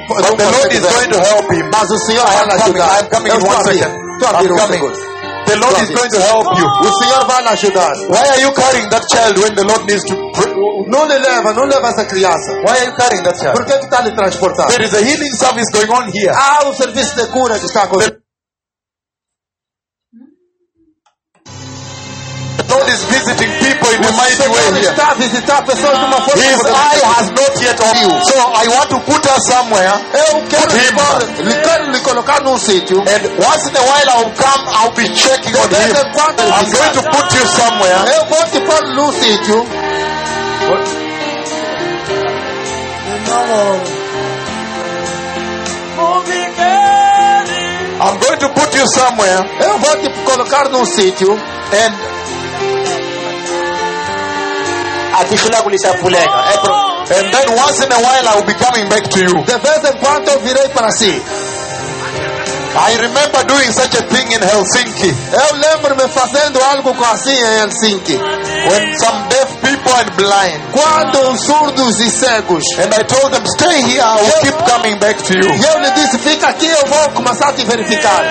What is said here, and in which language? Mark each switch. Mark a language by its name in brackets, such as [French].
[English] but the Lord is going to help him. [Portuguese] Mas o Senhor vai ajudar. [English] I am coming in one second. I'm coming. The Lord is going to help you. [Portuguese] O Senhor vai ajudar. [English] Why are you carrying that child when the Lord needs to? [Portuguese] Não leva essa criança. [English] Why are you carrying that child? [Portuguese] Por que tu está lhe transportando? [English] There is a healing service going on here. [Portuguese] Ah, o serviço de cura que está acontecendo. [English] God is visiting people in a mighty way here. His eye has not yet opened. So I want to put her somewhere. Put him. And once in a while I'll come, I'll be checking on him. I'm going to put you somewhere. [Portuguese] Eu vou te pôr no sítio. [English] I'm going to put you somewhere. [Portuguese] Eu vou te colocar no sítio. [English] And and then once in a while I will be coming back to you. [Portuguese] De vez em quando virei para si. [English] I remember doing such a thing in Helsinki. [Portuguese] Eu lembro-me fazendo algo com assim em Helsinki. [English] When some deaf people and blind. [Portuguese] Quando surdos e cegos. [English] And I told them, stay here, I will keep coming back to you. [Portuguese] E eu lhe disse, fica aqui, eu vou começar a te verificar.